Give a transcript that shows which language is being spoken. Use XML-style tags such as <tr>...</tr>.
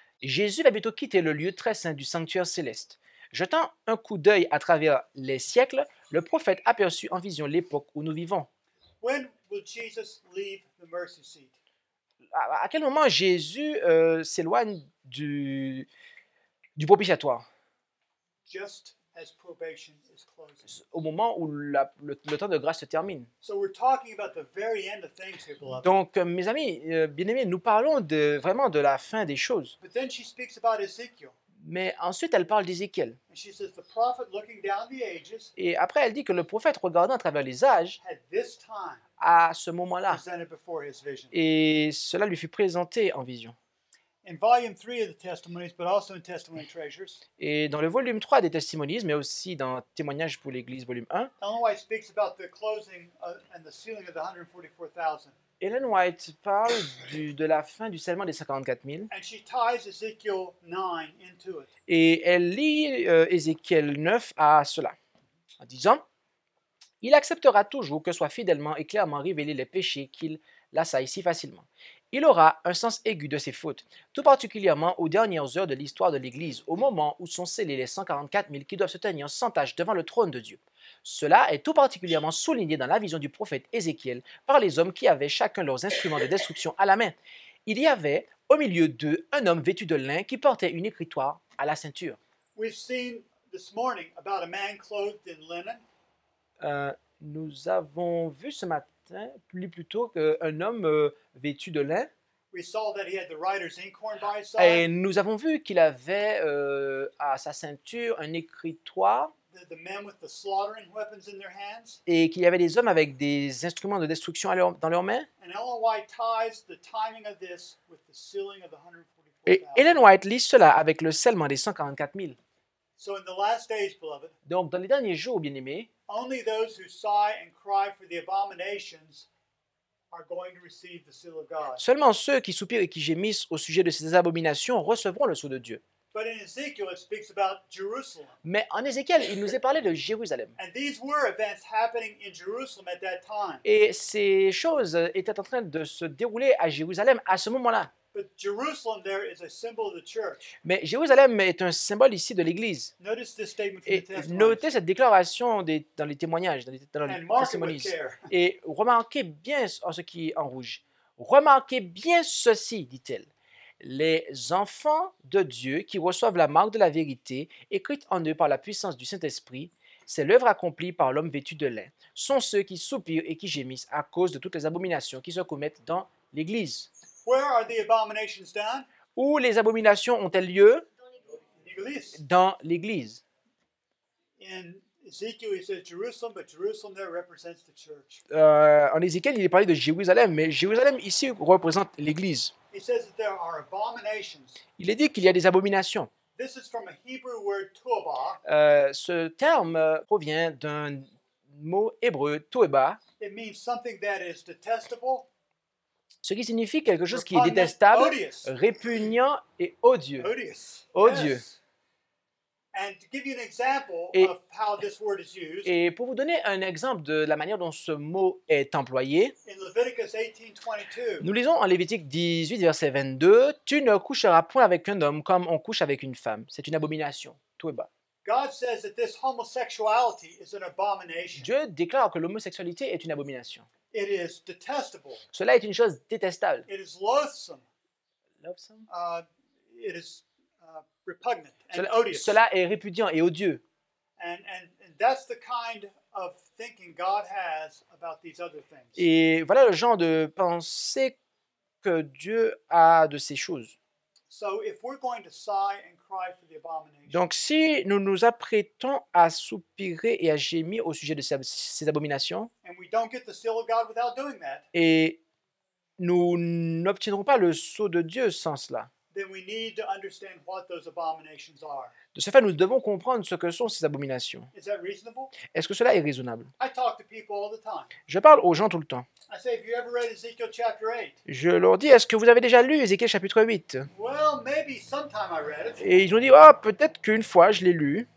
<fr>Jésus va bientôt quitter le lieu très saint du sanctuaire céleste. Jetant un coup d'œil à travers les siècles, le prophète aperçut en vision l'époque où nous vivons.</fr> <en>When will Jesus leave the mercy seat?</en> <fr>À quel moment Jésus s'éloigne du propitiatoire?</fr> <en>Just as probation is closing.</en> <fr>Au moment où le temps de grâce se termine.</fr> <en>So we're talking about the very end of things here, beloved.</en> <fr>Donc, mes amis, bien-aimés, nous parlons vraiment de la fin des choses.</fr> <en>But then she speaks about Ezekiel.</en> <fr>Mais ensuite, elle parle d'Ézéchiel.</fr> <en>And she says, the prophet looking down the ages,</en> <fr>et après, elle dit que le prophète, regardant à travers les âges,</fr> <en>had this time</en> <fr>à ce moment-là,</fr> <en>presented before his vision.</en> <fr>Et cela lui fut présenté en vision.</fr> <en>In volume 3 of the testimonies, but also in Testimony Treasures.</en> <fr>Et dans le volume 3 des Testimonies, mais aussi dans Témoignages pour l'Église, volume 1.</fr> <en>Ellen White speaks about the closing and the sealing of the 144,000.</en> <fr>Ellen White parle de la fin du scellement des 54,000.</fr> <en>And she ties Ezekiel 9 into it.</en> <fr>Et elle lit Ézéchiel 9 à cela, en disant, il acceptera toujours que soient fidèlement et clairement révélés les péchés qu'il l'assaille si facilement. Il aura un sens aigu de ses fautes, tout particulièrement aux dernières heures de l'histoire de l'Église, au moment où sont scellés les 144 000 qui doivent se tenir sans tache devant le trône de Dieu. Cela est tout particulièrement souligné dans la vision du prophète Ézéchiel par les hommes qui avaient chacun leurs instruments de destruction à la main. Il y avait, au milieu d'eux, un homme vêtu de lin qui portait une écritoire à la ceinture.</fr> <en>We've seen this morning about a man clothed in linen.</en> <fr>Nous avons vu ce matin, plus tôt, un homme vêtu de lin.</fr> <en>We saw that he had the writer's inkhorn by his side.</en> <fr>Et nous avons vu qu'il avait à sa ceinture un écritoire.</fr> <en>The men with the slaughtering weapons in their hands.</en> <fr>Et qu'il y avait des hommes avec des instruments de destruction à leur, dans leurs mains.</fr> <en>And Ellen White ties the timing of this with the sealing of the 144,000.</en> <fr>Et Ellen White lit cela avec le scellement des 144,000.</fr> <en>So in the last days, beloved.</en> <fr>Donc dans les derniers jours, bien-aimés.</fr> <en>Only those who sigh and cry for the abominations are going to receive the seal of God.</en> <fr>Seulement ceux qui soupirent et qui gémissent au sujet de ces abominations recevront le sceau de Dieu.</fr> <en>But in Ezekiel, it speaks about Jerusalem.</en> <fr>Mais en Ézéchiel, il nous est parlé de Jérusalem.</fr> <en>And these were events happening in Jerusalem at that time.</en> <fr>Et ces choses étaient en train de se dérouler à Jérusalem à ce moment-là.</fr> <en>But Jerusalem there is a symbol of the church.</en> <fr>Mais Jérusalem est un symbole ici de l'Église.</fr> <en>Notice this statement from the testimonies.</en> <fr>Notez cette déclaration des, dans les témoignages, dans les</fr> <en>testimonies.</en> <fr>Et remarquez bien ce qui est en rouge. Remarquez bien ceci, dit-elle. Les enfants de Dieu qui reçoivent la marque de la vérité, écrite en eux par la puissance du Saint-Esprit, c'est l'œuvre accomplie par l'homme vêtu de lin, sont ceux qui soupirent et qui gémissent à cause de toutes les abominations qui se commettent dans l'Église.</fr> <en>Where are the abominations done?</en> <fr>Où les abominations ont-elles lieu? Dans l'Église. Dans l'Église.</fr> <en>In Ezekiel, he says Jerusalem, but Jerusalem there represents the church.</en> <fr>En Ézéchiel, il est parlé de Jérusalem, mais Jérusalem ici représente l'Église.</fr> <en>He says that there are abominations.</en> <fr>Il est dit qu'il y a des abominations.</fr> <en>This is from a Hebrew word, tovah.</en> <fr>Ce terme provient d'un mot hébreu, tovah.</fr> <en>It means something that is detestable.</en> <fr>Ce qui signifie quelque chose qui est détestable, répugnant et odieux. Odieux.</fr> <en>And to give you an example of how this word is used.</en> <fr>Et pour vous donner un exemple de la manière dont ce mot est employé.</fr> <en>In Leviticus 18:22.</en> <fr>Nous lisons en Lévitique 18 verset 22, tu ne coucheras point avec un homme comme on couche avec une femme. C'est une abomination. Tout est bas.</fr> <en>God says that this homosexuality is an abomination.</en> <fr>Dieu déclare que l'homosexualité est une abomination.</fr> <en>It is detestable.</en> <fr>Cela est une chose détestable.</fr> <en>It is loathsome. Loathsome. It is repugnant and</en> <fr>cela,</fr> <en>odious.</en> <fr>Cela est répudiant et odieux.</fr> <en>And that's the kind of thinking God has about these other things.</en> <fr>Et voilà le genre de pensée que Dieu a de ces choses.</fr> <en>So if we're going to sigh and cry for the abominations.</en> <fr>Donc si nous nous apprêtons à soupirer et à gémir au sujet de ces abominations.</fr> <en>And we don't get the seal of God without doing that.</en> <fr>Et nous n'obtiendrons pas le sceau de Dieu sans cela.</fr> <en>Then we need to understand what those abominations are.</en> <fr>De ce fait, nous devons comprendre ce que sont ces abominations.</fr> <en>Is that reasonable?</en> <fr>Est-ce que cela est raisonnable?</fr> <en>I talk to people all the time.</en> <fr>Je parle aux gens tout le temps.</fr> <en>I say, have you ever read Ezekiel chapter 8?</en> <fr>Je leur dis, est-ce que vous avez déjà lu Ézéchiel chapitre 8?</fr> <en>Well, maybe sometime I read it.</en> <fr>Et ils ont dit, oh, peut-être qu'une fois je l'ai lu.</fr>